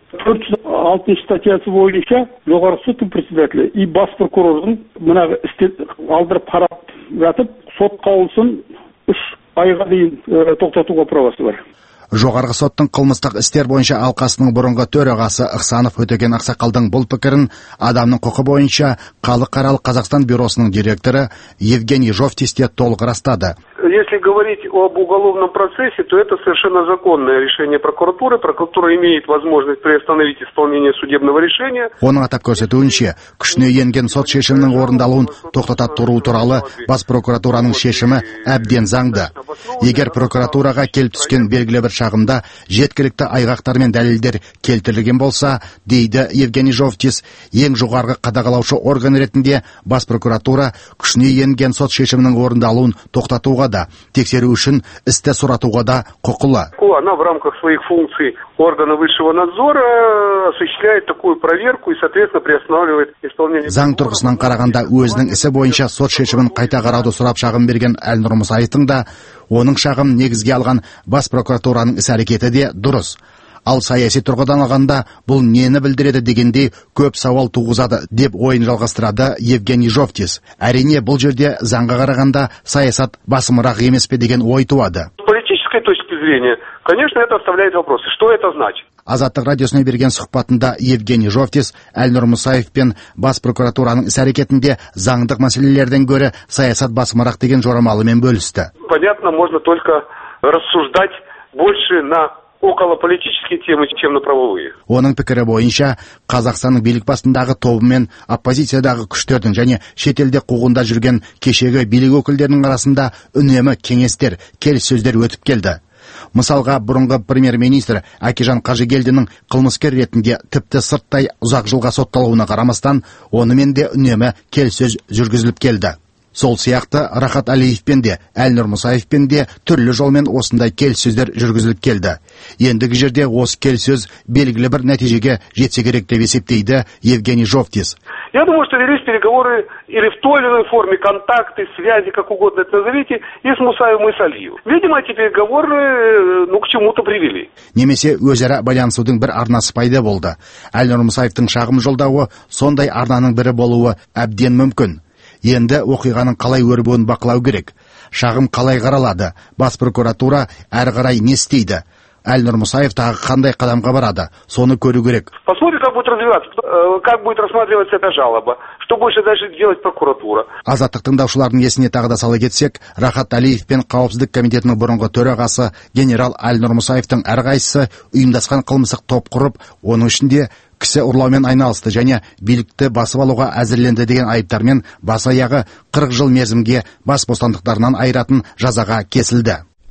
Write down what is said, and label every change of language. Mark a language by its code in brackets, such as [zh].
[kk] 406 статьясы бойынша жоғарғы соттың председателі и бас прокурордың мына істі алдырып қарап жатып, сот қаулысын 3 айға дейін тоқтатуға правасы бар. Жоғарғы соттың қылмыстық істер бойынша алқасының бұрынғы төрағасы Ықсанов Өтеген Ақсақалдың бұл пікірін адамның құқы бойынша Халықаралық Қазақстан бюросының директоры Евгений Жовтис те толық растады. [ru] Если говорить об уголовном процессе, то это совершенно законное решение прокуратуры. Прокуратура имеет возможность приостановить исполнение судебного решения. [kk] Оның атап көрсетуінше, күшіне енген сот шешімінің орындалуын тоқтата тұру туралы бас прокуратураның шешімі әбден заңды. Егер прокуратураға келіп түскен белгілі бір шағымда жеткілікті айғақтар мен дәлелдер келтірілген болса, дейді Евгений Жовтис, ең жоғарғы қадағалаушы орган ретінде бас прокуратура күшіне енген сот шешімінің орындалуын тоқтатуға да, тексеру үшін істі сұратуға да құқылы. [ru] Она в рамках своих функций органа высшего надзора осуществляет такую проверку и, соответственно, приостанавливает исполнение. [kk] Заң тұрғысынан қарағанда өзінің ісі бойынша сот шешімін қайта қарауды сұрап шағым берген Әлнұр Мұсайтың да оның шағым негізге алған бас прокуратураның іс әрекеті де дұрыс. Ал саяси тұрғыдан алғанда бұл нені білдіреді дегенде көп сауал туғызады деп ойын жалғастырады Евгений Жовтис. Әрине бұл жерде заңға қарағанда саясат басымырақ емес пе деген ой туады. [ru] Политической точки зрения, конечно, это оставляет вопросы. Что это значит? [kk] Азаттық радиосына берген сұхбатында Евгений Жовтис Әлнұр Мұсаев пен бас прокуратураның іс-әрекетінде заңдық мәселелерден гөрі саясат басымырақ деген жорамалымен бөлісті. [ru] Понятно, можно только рассуждать больше на около политические темы, чем на правовые. [kk] Оның пікірі бойынша, Қазақстанның билік басындағы тобы мен оппозициядағы күштердің және шетелде қуғында жүрген кешегі билік өкілдерінің арасында үнемі кеңестер, келіссөздер өтіп келді. Мысалға, бұрынғы премьер-министр Әкежан Қажыгелдінің қылмыскер ретінде тіпті сырттай ұзақ жылға сотталуына қарамастан, онымен де үнемі келіссөз жүргізіліп келді. Сол сияқты Рахат Алиевпен де, Әлнұр Мұсаевпен де түрлі жолмен осындай келіссөздер жүргізіліп келді. Ендігі жерде осы келіссөз белгілі бір нәтижеге жетсе керек деп есептейді Евгений Жовтис. [ru] Я думаю, что велись переговоры или в той или иной форме, контакты, связи, как угодно это назовите, и с Мусаевым, и с Алиевым. Видимо, эти переговоры к чему-то привели. [kk] Немесе өзара байланысудың бір арнасы пайда болды. Әлнұр Мұсаевтың шағым жолдауы сондай арнаның бірі болуы әбден мүмкін. Енді оқиғаның қалай өрбуін бақылау керек. Шағым қалай қаралады? Бас прокуратура әрі қарай не істейді? Әлнұр Мұсаев тағы қандай қадамға барады? Соны көру керек. [ru] Посмотрим, как будет развиваться, как будет рассматриваться эта жалоба. Что больше дальше делать прокуратура? [kk] Азаттық тыңдаушыларының есіне тағы да сала кетсек, Рахат Алиев пен Қауіпсіздік комитетінің бұрынғы төрағасы генерал Әлнұр Мұсаевтың әрқайсысы ұйымдасқан қылмыстық топ құрып, оның ішінде кісі ұрлаумен айналысты және билікті басып алуға әзірленді деген айыптармен бас аяғы 40 жыл мерзімге бас бостандықтарынан айыратын жазаға кесілді.